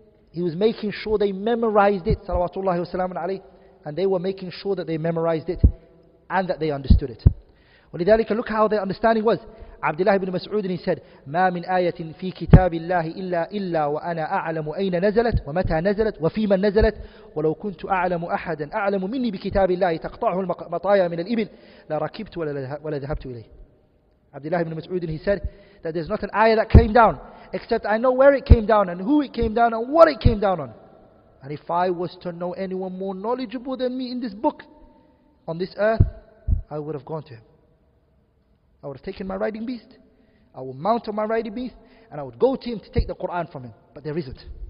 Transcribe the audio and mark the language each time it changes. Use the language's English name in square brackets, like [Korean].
[English] He was making sure they memorized it, salawatullahi wasallam alayhi, and they were making sure that they memorized it and that they understood it. ولذلك, look how their understanding was. Abdullah ibn Mas'ud, and he said, [Arabic] ما من آية في كتاب الله إلا وأنا أعلم أين نزلت ومتى نزلت وفيما نزلت ولو كنت أعلم أحدا أعلم مني بكتاب الله تقطعه المطايا من الإبل لركبت ولا ذهبت إليه. [English] Abdullah ibn Mas'ud, and he said that there's not an ayah that came down except I know where it came down and who it came down and what it came down on. And if I was to know anyone more knowledgeable than me in this book on this earth, I would have gone to him. I would have taken my riding beast, I would mount on my riding beast, and I would go to him to take the Qur'an from him. But there isn't.